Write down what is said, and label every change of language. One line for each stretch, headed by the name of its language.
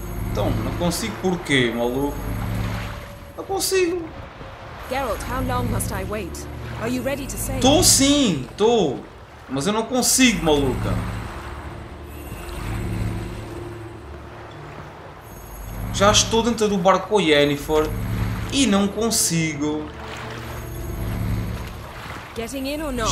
Portuguese: Então, não consigo porquê, maluco? Não consigo!
English: Geralt, how long must I wait? Are you ready to sail?
Portuguese: Tô sim, tô. Mas eu não consigo, maluca. Já estou dentro do barco com a Yennefer e não consigo.
English: Getting in or not?